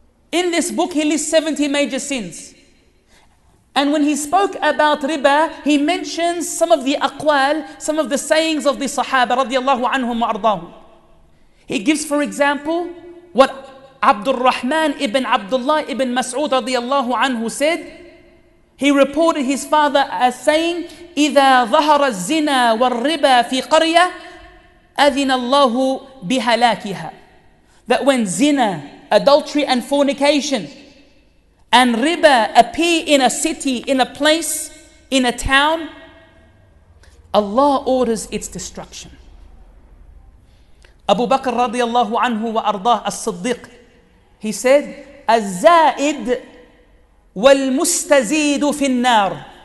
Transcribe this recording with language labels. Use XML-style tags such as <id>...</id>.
<en>In this book, he lists 70 major sins. And when he spoke about riba, he mentions some of the aqwal, some of the sayings of the Sahaba radiallahu anhum wa ardahum. He gives, for example, what Abdul Rahman ibn Abdullah ibn Mas'ud radiallahu anhu said. He reported his father as saying,</en> <ar>إِذَا ظَهَرَ الزِّنَا وَالْرِبَى فِي قَرْيَةَ أَذِنَ اللَّهُ بِهَلَاكِهَا.</ar> <en>That when zina, adultery and fornication, and riba appear in a city, in a place, in a town, Allah orders its destruction. Abu Bakr radiallahu anhu wa ardah as-siddiq, he said,</en> <ar>الزائد والمستزيد في النار.</ar>